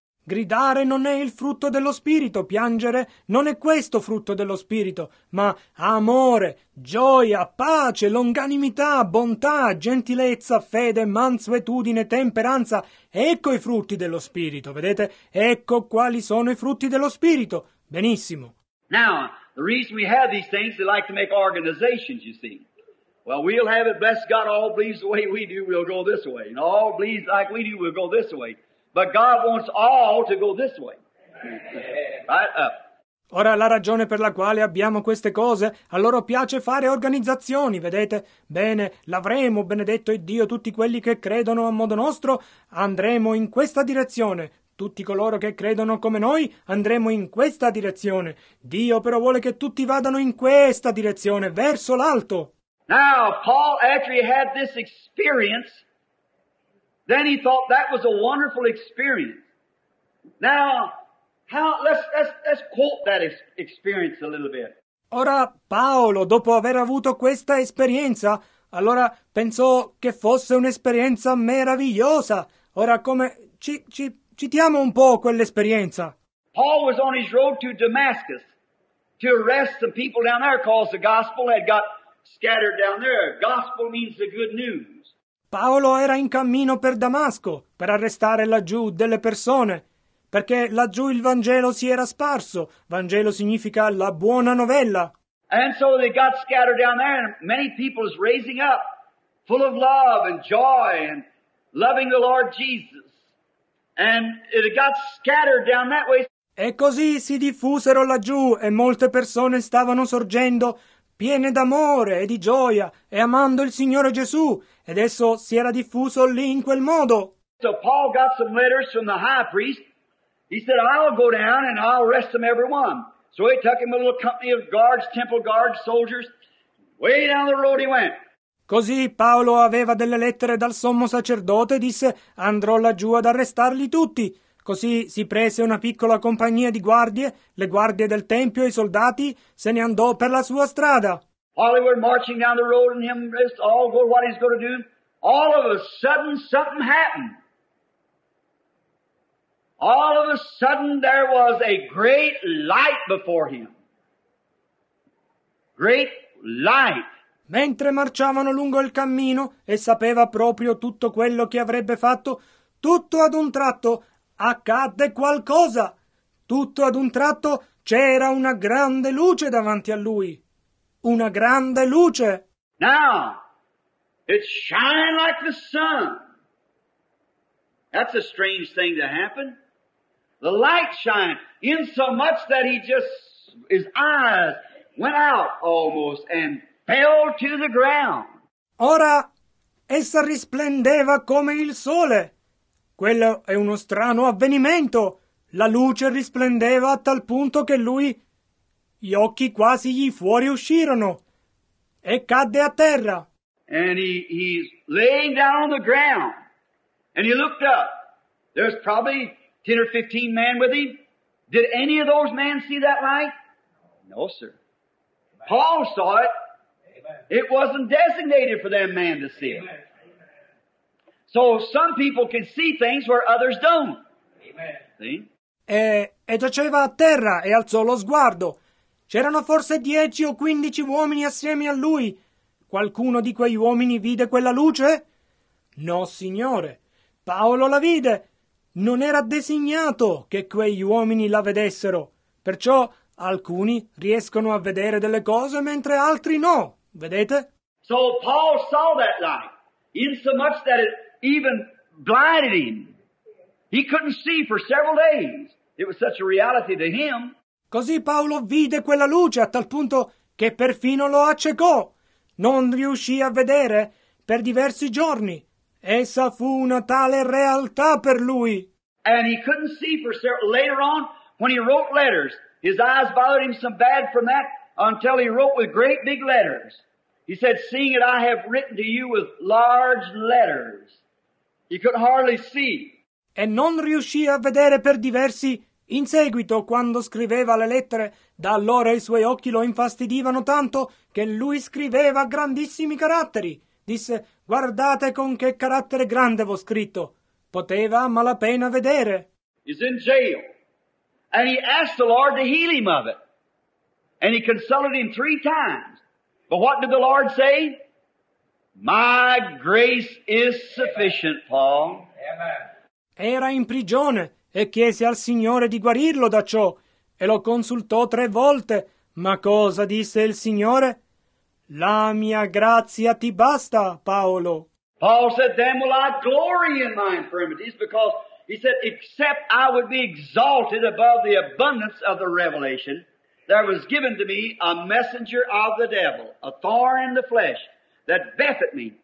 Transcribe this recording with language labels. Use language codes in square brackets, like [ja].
[it] Gridare non è il frutto dello spirito, piangere non è questo frutto dello spirito, ma amore, gioia, pace, longanimità, bontà, gentilezza, fede, mansuetudine, temperanza. Ecco i frutti dello spirito, vedete? Ecco quali sono i frutti dello spirito. Benissimo. [en] Now, the reason we have these things, they like to make organizations, you see. Well, we'll have it, bless God, all believes the way we do, we'll go this way. And all believes like we do, we'll go this way. But God wants all to go this way. Right up. [it] Ora, la ragione per la quale abbiamo queste cose, a loro piace fare organizzazioni, vedete? Bene, l'avremo, benedetto è Dio, tutti quelli che credono a modo nostro, andremo in questa direzione. Tutti coloro che credono come noi andremo in questa direzione. Dio però vuole che tutti vadano in questa direzione, verso l'alto. [en] Now, Paul, after he had this experience, then he thought that was a wonderful experience. Now, let's quote that experience a little bit. [it] Ora, Paolo, dopo aver avuto questa esperienza, allora pensò che fosse un'esperienza meravigliosa. Ora, come citiamo un po' quell'esperienza. [en] Paul was on his road to Damascus to arrest some people down there because the gospel had got scattered down there. Gospel means the good news. [it] Paolo era in cammino per Damasco per arrestare laggiù delle persone perché laggiù il Vangelo si era sparso. Vangelo significa la buona novella. [en] And so they got scattered down there and many people is raising up full of love and joy and loving the Lord Jesus. And it got scattered down that way. [it] E così si diffusero laggiù e molte persone stavano sorgendo piene d'amore e di gioia e amando il Signore Gesù ed esso si era diffuso lì in quel modo. [en] So Paul got some letters from the high priest. He said, I'll go down and I'll arrest them every one. So he took him a little company of guards, temple guards, soldiers. Way down the road he went. [it] Così Paolo aveva delle lettere dal sommo sacerdote e disse andrò laggiù ad arrestarli tutti. Così si prese una piccola compagnia di guardie, le guardie del tempio e i soldati, se ne andò per la sua strada. [en] Hollywood marching down the road and him all go what he's going to do. All of a sudden something happened. All of a sudden there was a great light before him. Great light. [it] Mentre marciavano lungo il cammino e sapeva proprio tutto quello che avrebbe fatto, tutto ad un tratto accadde qualcosa. Tutto ad un tratto c'era una grande luce davanti a lui. Una grande luce. [en] Now, it shined like the sun. That's a strange thing to happen. The light shined in so much that he just, his eyes went out almost and fell to the ground. [it] Ora, essa risplendeva come il sole. Quello è uno strano avvenimento. La luce risplendeva a tal punto che lui, gli occhi quasi gli fuori uscirono. E cadde a terra. [en] And he's laying down on the ground. And he looked up. There's probably 10 or 15 men with him. Did any of those men see that light? No, sir. Paul saw it. It wasn't designated for that man to see it. So some people can see things where others don't. Amen. [it] E giaceva a terra e alzò lo sguardo. C'erano forse 10 o 15 uomini assieme a lui. Qualcuno di quegli uomini vide quella luce? No, signore. Paolo la vide. Non era designato che quegli uomini la vedessero. Perciò alcuni riescono a vedere delle cose mentre altri no. Vedete? [en] So Paul saw that light, in so much that it even blinded him. He couldn't see for several days. It was such a reality to him. [it] Così Paolo vide quella luce a tal punto che perfino lo accecò. Non riuscì a vedere per diversi giorni. Essa fu una tale realtà per lui. [en] And he couldn't see for several. Later on, when he wrote letters, his eyes bothered him so bad from that. Until he wrote with great big letters. He said, seeing it, I have written to you with large letters. He could hardly see. [it] E non riuscì a vedere per diversi in seguito quando scriveva le lettere. Da allora i suoi occhi lo infastidivano tanto che lui scriveva grandissimi caratteri. Disse, guardate con che carattere grande v'ho scritto. Poteva a malapena vedere. [en] is in jail. And he asked the Lord to heal him of it. And he consulted him three times. But what did the Lord say? My grace is sufficient, Paul. Amen. [it] Era in prigione e chiese al Signore di guarirlo da ciò e lo consultò tre volte. Ma cosa disse il Signore? La mia grazia ti basta, Paolo. [en] Paul said, then will I glory in my infirmities, because he said, except I would be exalted above the abundance of the revelation, there was given to me a messenger of the devil, a thorn in the flesh, that buffeted me.